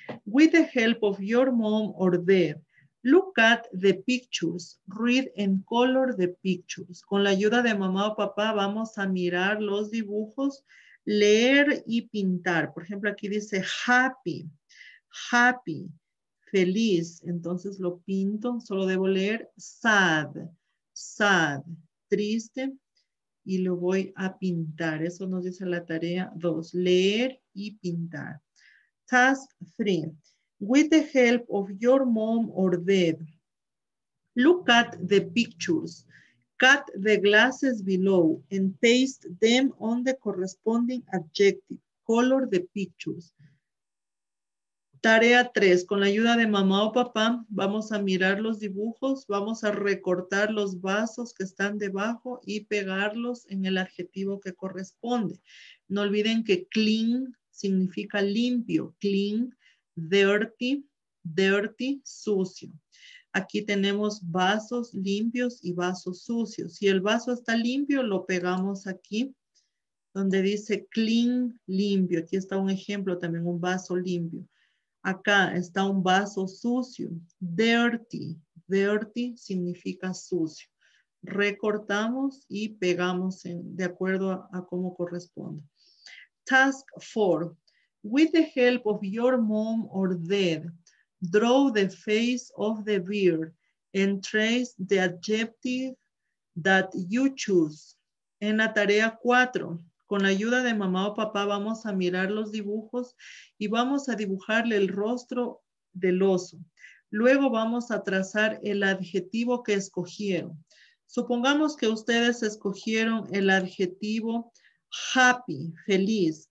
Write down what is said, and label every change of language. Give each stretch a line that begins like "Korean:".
English: With the help of your mom or dad, look at the pictures, read and color the pictures.
Spanish: Con la ayuda de mamá o papá vamos a mirar los dibujos, leer y pintar. Por ejemplo, aquí dice happy, happy, feliz. Entonces lo pinto, solo debo leer sad, sad, triste. Y lo voy a pintar. Eso nos dice la tarea 2. Leer y pintar.
English: Task 3. With the help of your mom or dad, look at the pictures. Cut the glasses below and paste them on the corresponding adjective. Color the pictures.
Spanish: Tarea 3. Con la ayuda de mamá o papá, vamos a mirar los dibujos, vamos a recortar los vasos que están debajo y pegarlos en el adjetivo que corresponde. No olviden que clean significa limpio, clean, dirty, dirty, sucio. Aquí tenemos vasos limpios y vasos sucios. Si el vaso está limpio, lo pegamos aquí donde dice clean, limpio. Aquí está un ejemplo también, un vaso limpio. Acá está un vaso sucio. Dirty. Dirty significa sucio. Recortamos y pegamos en, de acuerdo a cómo corresponde.
English: Task 4. With the help of your mom or dad, draw the face of the bear and trace the adjective that you choose.
Spanish: En la tarea 4. Con la ayuda de mamá o papá vamos a mirar los dibujos y vamos a dibujarle el rostro del oso. Luego vamos a trazar el adjetivo que escogieron. Supongamos que ustedes escogieron el adjetivo happy, feliz.